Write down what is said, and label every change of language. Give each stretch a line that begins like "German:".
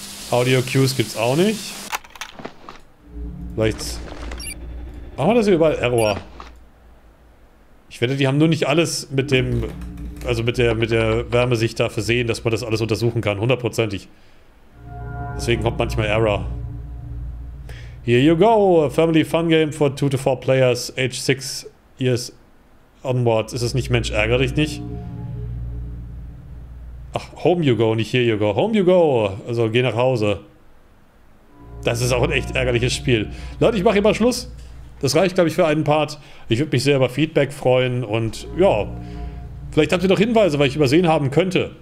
German: Audio Cues gibt es auch nicht. Vielleicht machen wir das hier überall Error. Ich wette, die haben nur nicht alles mit dem... Also mit der Wärme sich dafür sehen, dass man das alles untersuchen kann, hundertprozentig. Deswegen kommt manchmal Error.
English: Here you go, a family fun game for 2 to 4 players, age 6 years onwards.
German: Ist es nicht, Mensch, ärgere dich nicht. Ach,
English: home you go,
German: nicht
English: here you go. Home you go,
German: also geh nach Hause. Das ist auch ein echt ärgerliches Spiel. Leute, ich mache hier mal Schluss. Das reicht, glaube ich, für einen Part. Ich würde mich sehr über Feedback freuen und ja... Vielleicht habt ihr noch Hinweise, weil ich übersehen haben könnte.